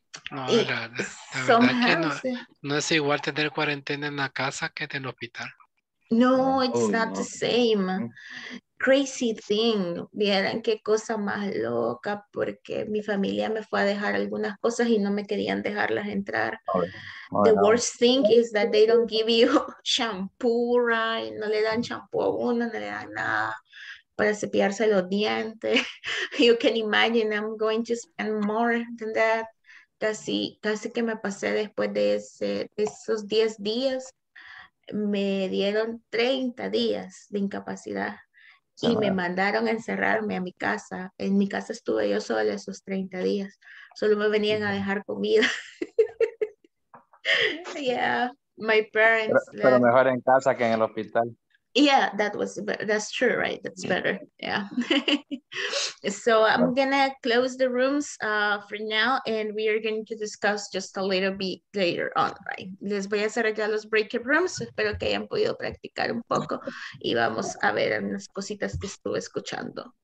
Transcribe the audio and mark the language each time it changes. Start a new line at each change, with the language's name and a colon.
Spanish: No, la verdad es que no es igual tener cuarentena en la casa que en el hospital.
English: No, it's not the same. Crazy thing,
Spanish: vieran qué cosa más loca, porque mi familia me fue a dejar algunas cosas y no me querían dejarlas entrar.
English: The worst thing is that they don't give you shampoo, right?
Spanish: No le dan shampoo a uno, no le dan nada para cepillarse los dientes.
English: You can imagine I'm going to spend more than that.
Spanish: Casi que me pasé después de esos 10 días, me dieron 30 días de incapacidad. Y me mandaron a encerrarme a mi casa. En mi casa estuve yo sola esos 30 días. Solo me venían a dejar comida.
English: Yeah, my parents.
Spanish: Pero mejor en casa que en el hospital.
English: Yeah, that's true, right? That's better. Yeah. So I'm gonna close the rooms for now, and we are going to discuss just a little bit later on, right?
Spanish: Les voy a cerrar ya los breakout rooms. Espero que hayan podido practicar un poco y vamos a ver unas cositas que estuve escuchando.